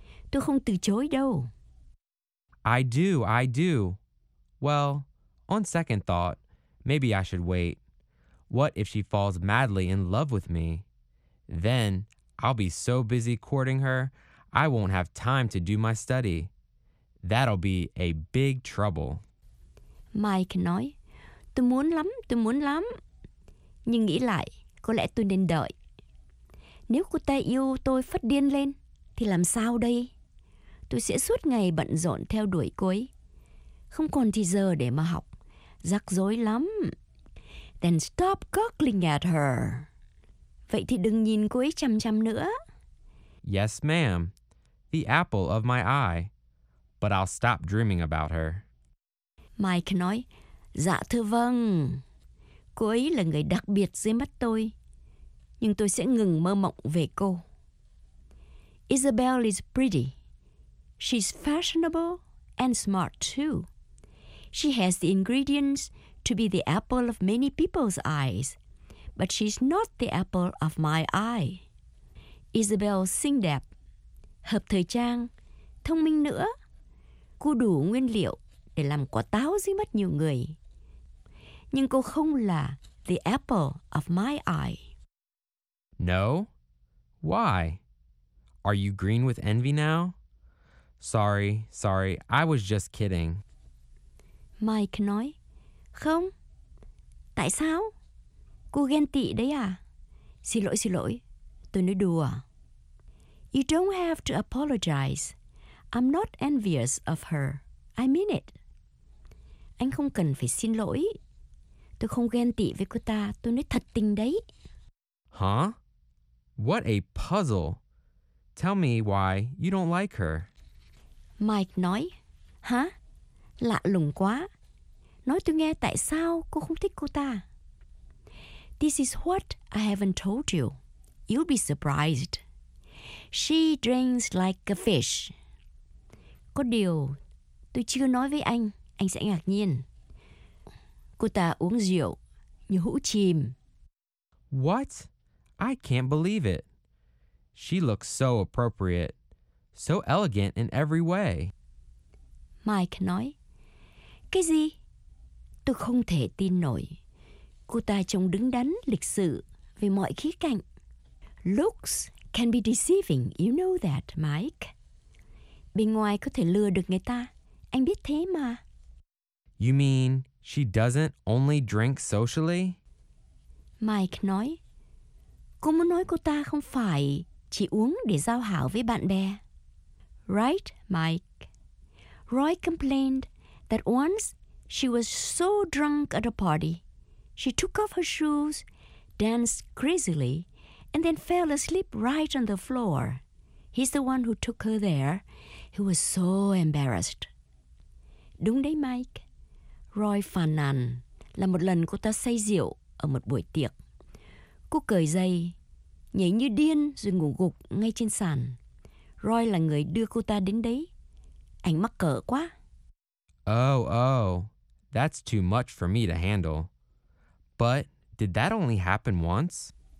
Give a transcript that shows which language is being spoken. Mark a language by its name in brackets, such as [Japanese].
[Vietnamese] Tôi không từ chối đâu. [English] I do, I do. Well, on second thought, maybe I should wait. What if she falls madly in love with me? Then I'll be so busy courting her, I won't have time to do my study. That'll be a big trouble. [Vietnamese] Mike nói, tôi muốn lắm, nhưng nghĩ lại, có lẽ tôi nên đợi. Nếu cô ta yêu tôi phát điên lên, thì làm sao đây? Tôi sẽ suốt ngày bận rộn theo đuổi cô ấy, không còn thì giờ để mà học, rắc rối lắm. [English] Then stop gawking at her. [Vietnamese] Vậy thì đừng nhìn cô ấy chằm chằm nữa. [English] Yes, ma'am. The apple of my eye. But I'll stop dreaming about her. [Vietnamese] Mike nói, dạ thưa vâng. Cô ấy là người đặc biệt dưới mắt tôi. Nhưng tôi sẽ ngừng mơ mộng về cô. [English] Isabel is pretty. She's fashionable and smart too. She has the ingredients to be the apple of many people's eyes, but she's not the apple of my eye. [Vietnamese] Isabel xinh đẹp, hợp thời trang, thông minh nữa. Cô đủ nguyên liệu để làm quả táo dưới mắt nhiều người. Nhưng cô không là [English] the apple of my eye. No? Why? Are you green with envy now? Sorry, sorry, I was just kidding. [Vietnamese] Mike nói, không. Tại sao? Cô ghen tị đấy à? Xin lỗi, tôi nói đùa. [English] You don't have to apologize. I'm not envious of her. I mean it. [Vietnamese] Anh không cần phải xin lỗi. Tôi không ghen tị với cô ta, tôi nói thật tình đấy. [English] Huh? What a puzzle. Tell me why you don't like her. [Vietnamese] Mike nói, hả? Lạ lùng quá. Nói tôi nghe tại sao cô không thích cô ta. [English] This is what I haven't told you. You'll be surprised. She drinks like a fish. [Vietnamese] Có điều tôi chưa nói với anh sẽ ngạc nhiên. Cô ta uống rượu như hũ chìm. [English] What? I can't believe it. She looks so appropriate. So elegant in every way. [Vietnamese] Mike nói. Cái gì? Tôi không thể tin nổi. Cô ta trông đứng đắn lịch sự về mọi khía cạnh. [English] Looks can be deceiving, you know that, Mike. [Vietnamese] Bên ngoài có thể lừa được người ta. Anh biết thế mà. [English] You mean she doesn't only drink socially? [Vietnamese] Mike nói. Cô muốn nói cô ta không phải chỉ uống để giao hảo với bạn bè. [English] Right, Mike. Roy complained that once she was so drunk at a party, she took off her shoes, danced crazily, and then fell asleep right on the floor. He's the one who took her there. He was so embarrassed. [Vietnamese] Đúng đấy, [English] Mike. [Vietnamese] Roy phàn nàn là một lần cô ta say rượu ở một buổi tiệc. Cô cởi giày, nhảy như điên rồi ngủ gục ngay trên sàn. Roy là người đưa cô ta đến đấy. Anh mắc cỡ quá. [English] Oh, that's too much for me to handle. But did that only happen once?